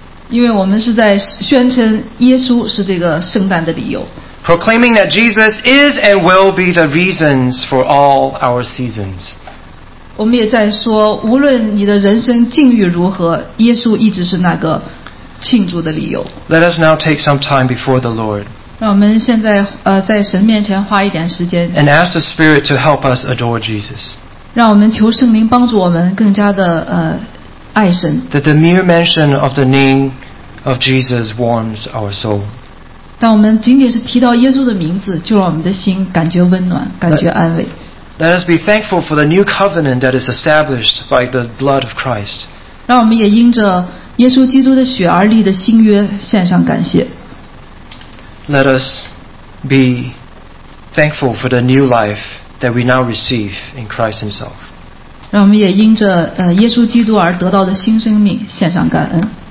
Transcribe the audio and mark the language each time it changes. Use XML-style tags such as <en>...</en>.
<zh>因为我们是在宣称耶稣是这个圣诞的理由。</zh> <en>Proclaiming that Jesus is and will be the reasons for all our seasons.</en> <zh>我们也在说，无论你的人生境遇如何，耶稣一直是那个庆祝的理由。</zh> <en>Let us now take some time before the Lord.</en> <zh>让我们现在在神面前花一点时间。</zh> <en>And ask the Spirit to help us adore Jesus.</en> <zh>让我们求圣灵帮助我们更加的爱神。</zh> <en>That the mere mention of the name of Jesus warms our soul.</en> <zh>当我们仅仅是提到耶稣的名字，就让我们的心感觉温暖，感觉安慰。</zh> <en>Let us be thankful for the new covenant that is established by the blood of Christ.</en> <zh>让我们也因着耶稣基督的血而立的新约献上感谢。</zh> <en>Let us be thankful for the new life. That we now receive in Christ Himself.</en> <zh>让我们也因着耶稣基督而得到的新生命献上感恩。</zh>